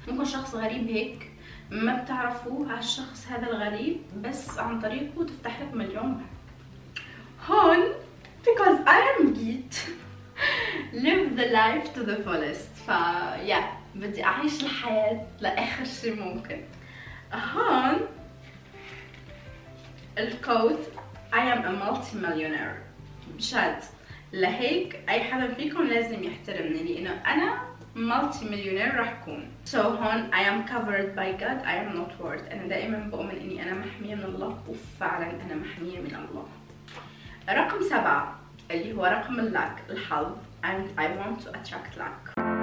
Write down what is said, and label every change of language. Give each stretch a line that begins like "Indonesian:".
Arabic: ممكن شخص غريب هيك ما بتعرفوه هالشخص هذا الغريب، بس عن طريقه تفتح لك مليون هون.
English: Because I am geek live the life to the fullest.
Arabic: فا yeah، بدي أعيش الحياة لآخر شيء ممكن. هون الكود
English: I am a multi-millionaire.
Arabic: بجد لهيك أي حدا فيكم لازم يحترمني، لأنه أنا multi-millionaire رح كون.
English: So هون I am covered by God. I am not worried.
Arabic: أنا دائما بؤمن أني أنا محمية من الله، وفعلا أنا محمية من الله. رقم 7 اللي هو رقم اللاك الحظ،
English: and I want to attract luck.